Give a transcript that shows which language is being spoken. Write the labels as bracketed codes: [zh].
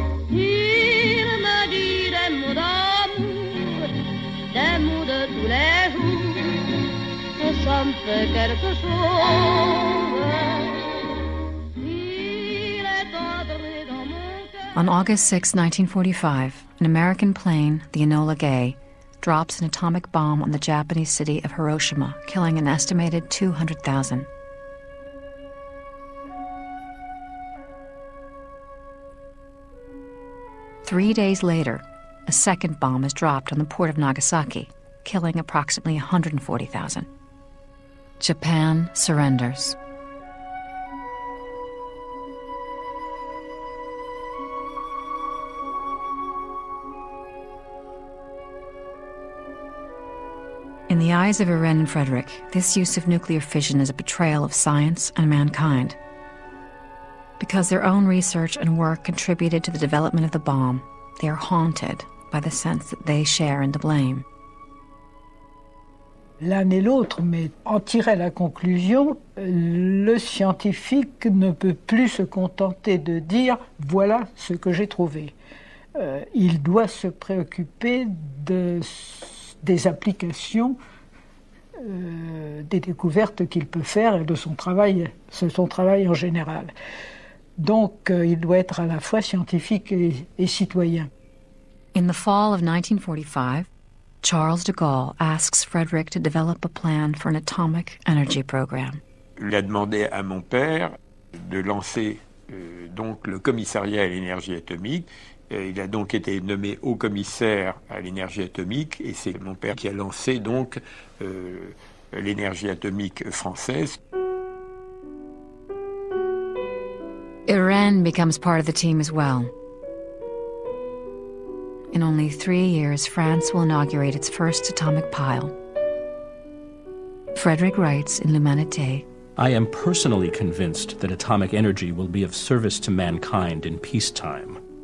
[fr] Il me dit des mots d'amour, des mots de tous les jours, et ça me fait quelque chose. Il est entré dans mon cœur. [en] On August 6, 1945, an American plane, the Enola Gay, drops an atomic bomb on the Japanese city of Hiroshima, killing an estimated 200,000. Three days later, a second bomb is dropped on the port of Nagasaki, killing approximately 140,000. Japan surrenders. In the eyes of Irène and Frederick, this use of nuclear fission is a betrayal of science and mankind. Because their own research and work contributed to the development of the bomb, They are haunted by the sense that they share in the blame. [fr] L'un et l'autre, mais en tirer la conclusion, le scientifique ne peut plus se contenter de dire « voilà ce que j'ai trouvé ». Il doit se préoccuper des applications des découvertes qu'il peut faire et de son travail en général. Donc, il doit être à la fois scientifique et citoyen. [en] In the fall of 1945, Charles de Gaulle asks Frédéric to develop a plan for an atomic energy program. [fr] Il a demandé à mon père de lancer donc le commissariat à l'énergie atomique. Il a donc été nommé haut commissaire à l'énergie atomique et c'est mon père qui a lancé donc l'énergie atomique française. [en] Irène becomes part of the team as well. In only 3 years, France will inaugurate its first atomic pile. Frédéric writes in L'Humanité, I am personally convinced that atomic energy will be of service to mankind in peacetime.